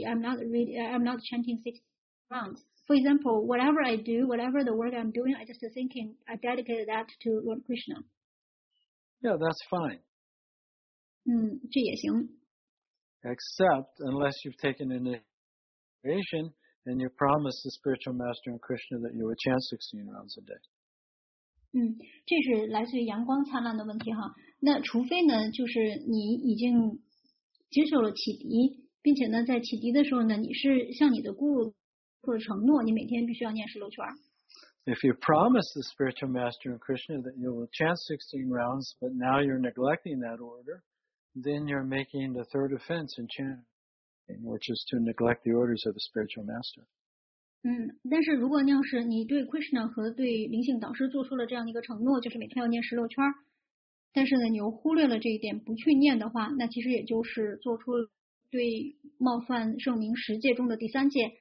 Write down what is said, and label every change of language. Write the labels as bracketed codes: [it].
[en] I'm not chanting 16 rounds. For example, whatever I do, whatever the work I'm doing, I just thinking I dedicated that to Lord Krishna. Yeah, that's fine. [zh] 这也行. [en] Except unless you've taken initiation and you promised the spiritual master and Krishna that you would chant 16 rounds a day. [zh] 这是来自于阳光灿烂的问题哈。那除非呢，就是你已经接受了启迪，并且呢，在启迪的时候呢，你是向你的guru 或者承诺, [en] if you promise the spiritual master and Krishna that you will chant 16 rounds, but now you're neglecting that order, then you're making the third offense in chanting, which is to neglect the orders of the spiritual master. [zh] 但是如果你要是你对 Krishna 和对灵性导师做出了这样一个承诺，就是每天要念16圈，但是呢，你又忽略了这一点，不去念的话，那其实也就是做出对冒犯圣明十诫中的第三戒。